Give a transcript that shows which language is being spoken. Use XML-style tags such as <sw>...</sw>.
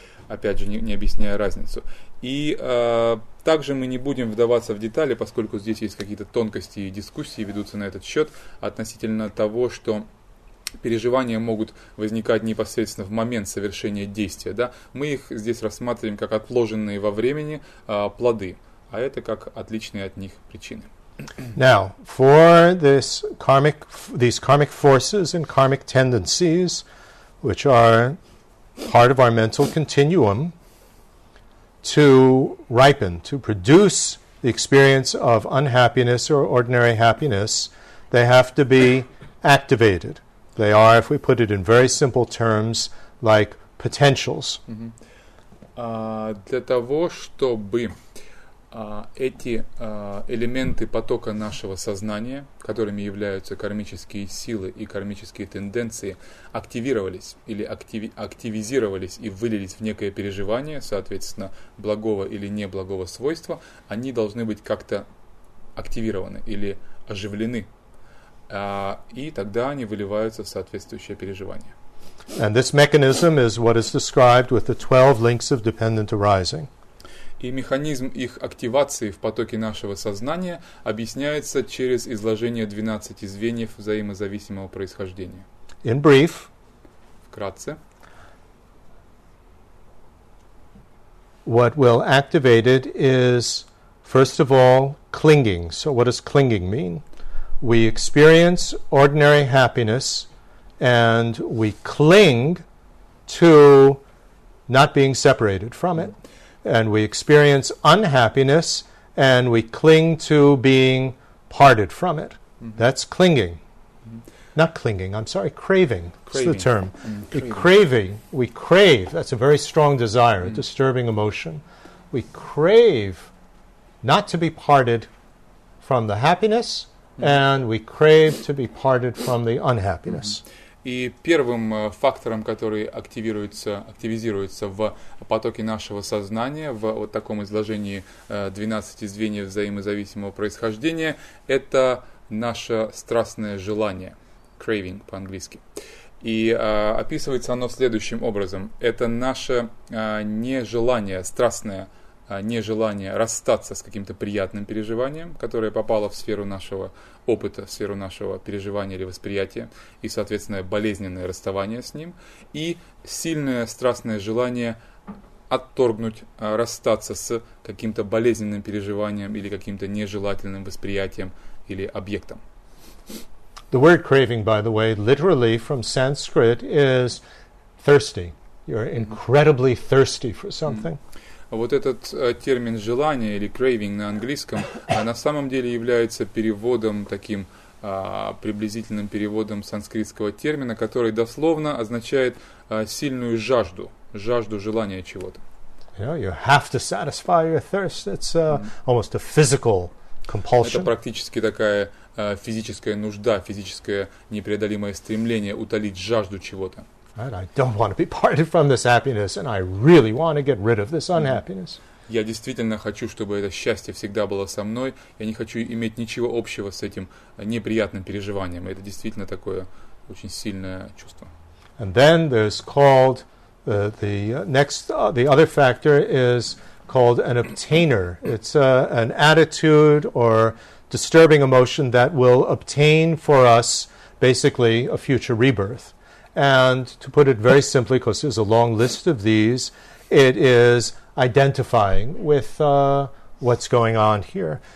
<ru>Опять же, не объясняя разницу. И также мы не будем вдаваться в детали, поскольку здесь есть какие-то тонкости и дискуссии ведутся на этот счет относительно того, что переживания могут возникать непосредственно в момент совершения действия. Да? Мы их здесь рассматриваем как отложенные во времени плоды, а это как отличные от них причины.</ru> <en>Now, for this karmic, these karmic forces and karmic tendencies, which are part of our mental continuum, to ripen, to produce the experience of unhappiness or ordinary happiness, they have to be activated. They are, if we put it in very simple terms, like potentials. Mm-hmm.</en> <ru>Для того, чтобы эти элементы потока нашего сознания, которыми являются кармические силы и кармические тенденции, активировались или активизировались и вылились в некое переживание, соответственно, благого или неблагого свойства, они должны быть как-то активированы или оживлены. И тогда они выливаются в соответствующее переживание.</ru> <en>And this mechanism is what is described with the 12 links of dependent arising.</en> <ru>И механизм их активации в потоке нашего сознания объясняется через изложение 12 звеньев взаимозависимого происхождения.</ru> <en>In brief,</en> <ru>вкратце,</ru> <en>what will activate it is, first of all, clinging. So what does clinging mean? We experience ordinary happiness and we cling to not being separated from it. And we experience unhappiness and we cling to being parted from it. Mm-hmm. That's clinging. Mm-hmm. Not clinging, I'm sorry, craving. That's the term. Mm-hmm. The craving, we crave. That's a very strong desire, mm-hmm. a disturbing emotion. We crave not to be parted from the happiness, and we crave to be parted from the unhappiness. Mm-hmm.</en> <ru>И первым фактором, который активизируется в потоке нашего сознания, в вот таком изложении 12 звеньев взаимозависимого происхождения, это наше страстное желание, craving по-английски. И описывается оно следующим образом. Это наше нежелание, страстное нежелание расстаться с каким-то приятным переживанием, которое попало в сферу нашего опыта, в сферу нашего переживания или восприятия, и, соответственно, болезненное расставание с ним, и сильное страстное желание отторгнуть, расстаться с каким-то болезненным переживанием или каким-то нежелательным восприятием или объектом.</ru> <en>The word craving, by the way, literally from Sanskrit, is thirsty. You're incredibly thirsty for something.</en> <ru>Вот этот термин «желание» или «craving» на английском на самом деле является переводом, таким приблизительным переводом санскритского термина, который дословно означает сильную жажду, жажду желания чего-то.</ru> <en>You know, you have to satisfy your thirst. It's almost a physical compulsion.</en> <ru>Это практически такая физическая нужда, физическое непреодолимое стремление утолить жажду чего-то. Right, I don't want to be parted from this happiness, and I really want to get rid of this unhappiness. Я действительно хочу, чтобы это счастье всегда было со мной. Я не хочу иметь ничего общего с этим неприятным переживанием. Это действительно такое очень сильное чувство.</ru> <en>And then there's called the other factor is called an obtainer. It's an attitude or disturbing emotion that will obtain for us basically a future rebirth. And to put it very simply, because there's a long list of these, it is identifying with what's going on here.</en>